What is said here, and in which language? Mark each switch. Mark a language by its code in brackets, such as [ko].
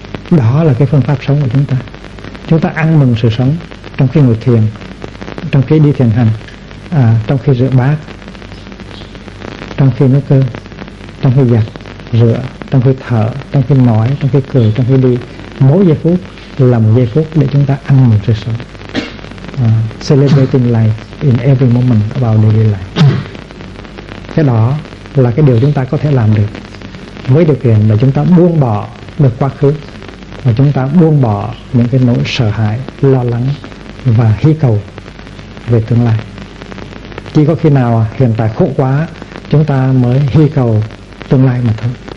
[vi] Đó là cái phương pháp sống của chúng ta. Chúng ta ăn mừng sự sống trong khi ngồi thiền, trong khi đi thiền hành, trong khi rửa bát, trong khi nấu cơm, trong khi giặt rửa, trong khi thở, trong khi nói, trong khi cười, trong khi đi. Mỗi giây phút là một giây phút để chúng ta ăn mừng sự sống. [en] Celebrating life in every moment of our daily life. [vi] Cái đó là cái điều chúng ta có thể làm được, với điều kiện là chúng ta buông bỏ được quá khứ, và chúng ta buông bỏ những cái nỗi sợ hãi, lo lắng và hy cầu về tương lai. Chỉ có khi nào hiện tại khổ quá, chúng ta mới hy cầu tương lai mà thôi.